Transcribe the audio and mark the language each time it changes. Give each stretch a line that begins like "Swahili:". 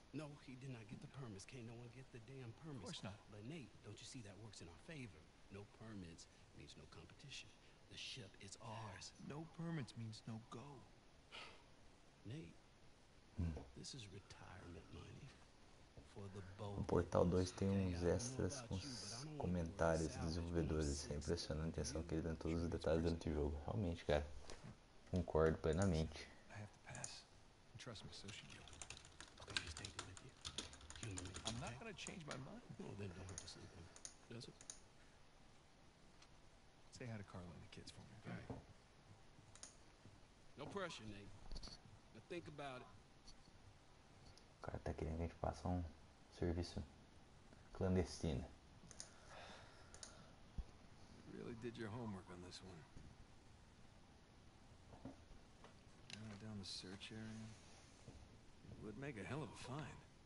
English: No, he did not get the permits. Can't no one get the damn permits. Of course not. But Nate, don't you see that works in our favor? No permits means no competition. The ship is ours. No permits means no go. Nate, this is retirement money for the boat.
Portuguese: O Portal 2 tem uns extras com os comentários dos desenvolvedores. É impressionante a atenção que ele dá em todos os detalhes do jogo. Realmente, cara. Concordo plenamente.
English: I have to pass. Trust me, so should you. I'm not gonna change my mind. Well, then don't have to sleep in. Does it? Say hi to Carla and the kids for me. All right. No pressure, Nate. Now think about it.
Portuguese: O cara tá querendo que a gente passe um serviço clandestino.
English: You really did your homework on this one. Down the search area. It would make a hell of a find.